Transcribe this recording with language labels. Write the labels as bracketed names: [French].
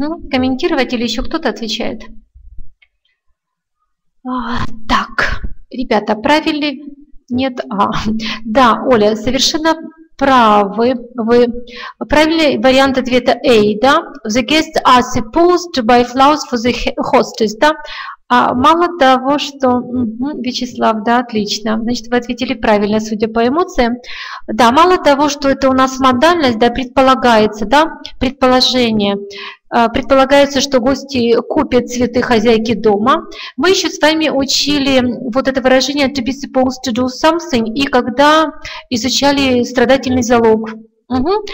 [Russian] Комментировать или еще кто-то отвечает? Так, ребята, правильный? Нет, да, Оля, совершенно правы. Вы правильный вариант ответа A, да? [English] The guests are supposed to buy flowers for the hostess, [Russian] да? А мало того, что... Вячеслав, да, отлично. Значит, вы ответили правильно, судя по эмоциям. Да, мало того, что это у нас модальность, да, предполагается, да, предположение. предполагается, что гости купят цветы хозяйки дома. Мы еще с вами учили вот это выражение [English] to be supposed to do something, [Russian] и когда изучали страдательный залог. Угу.